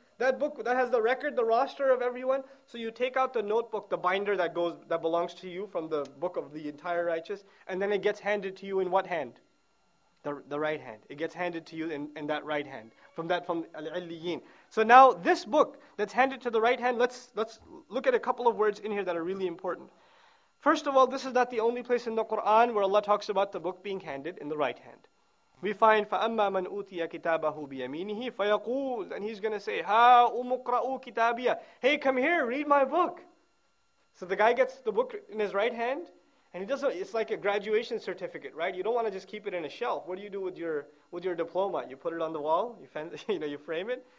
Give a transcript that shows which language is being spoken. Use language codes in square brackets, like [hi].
[en] That book that has the record, the roster of everyone. So you take out the notebook, the binder that belongs to you from the book of the entire righteous, and then it gets handed to you in what hand? The right hand. It gets handed to you in that right hand. From Al-Illiyin. So now this book that's handed to the right hand, let's look at a couple of words in here that are really important. First of all, this is not the only place in the Quran where Allah talks about the book being handed in the right hand. [ar] We find فَأَمَّا مَنْ أُوتِيَ كِتَابَهُ بِيَمِينِهِ فَيَقُولُ. [en] And he's gonna say, [ar] هَا أُمُقْرَأُ كِتَابِيَ. [en] Hey, come here, read my book. So the guy gets the book in his right hand. And it's like a graduation certificate, right? You don't want to just keep it in a shelf. What do you do with your diploma? You put it on the wall, you frame it.